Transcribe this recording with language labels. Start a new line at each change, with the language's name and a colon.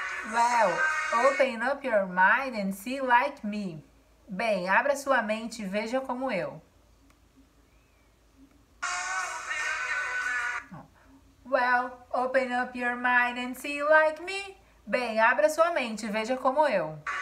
English: Well, open up your mind and see like me.
Portuguese: Bem, abra sua mente e veja como eu.
English: Well, open up your mind and see like me.
Portuguese: Bem, abra sua mente e veja como eu.